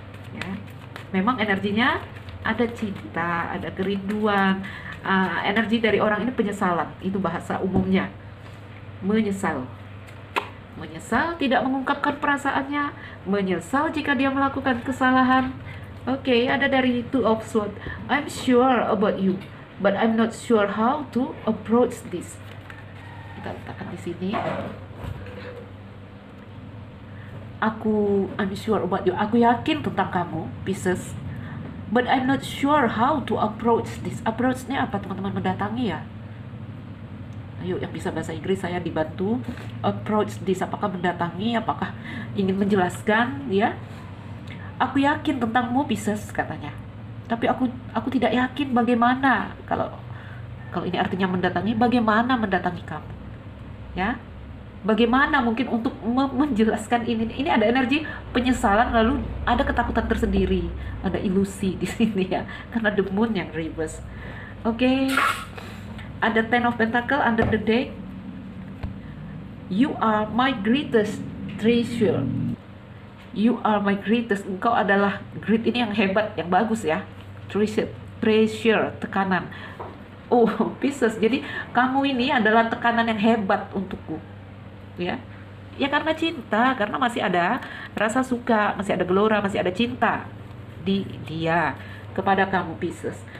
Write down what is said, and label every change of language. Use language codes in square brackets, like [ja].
[id] Ya, memang energinya ada cinta, ada kerinduan. Energi dari orang ini penyesalan, itu bahasa umumnya. Menyesal tidak mengungkapkan perasaannya, menyesal jika dia melakukan kesalahan. Oke, okay, ada dari Two of Swords. [en] I'm sure about you, but I'm not sure how to approach this. [id] Kita letakkan di sini. [en] I'm sure about you. [id] Aku yakin tentang kamu, Pisces. [en] But I'm not sure how to approach this. [id] Approach ini apa, teman-teman? Mendatangi ya? Ayo, yang bisa bahasa Inggris saya dibantu. [en] Approach this. [id] Apakah mendatangi? Apakah ingin menjelaskan? Ya? Aku yakin tentangmu, Pisces, katanya. Tapi aku tidak yakin bagaimana. Kalau ini artinya mendatangi, bagaimana mendatangi kamu? Ya? Bagaimana mungkin untuk menjelaskan ini? Ini ada energi penyesalan, lalu ada ketakutan tersendiri, ada ilusi di sini ya, karena the moon yang reverse. Oke, okay. Ada Ten of Pentacles [en] under the deck. You are my greatest treasure. You are my greatest. [id] Engkau adalah great, ini yang hebat, yang bagus ya. Treasure, tekanan. Oh, Pisces. Jadi kamu ini adalah tekanan yang hebat untukku. Ya. Ya karena cinta, karena masih ada rasa suka, masih ada gelora, masih ada cinta di dia kepada kamu, Pisces.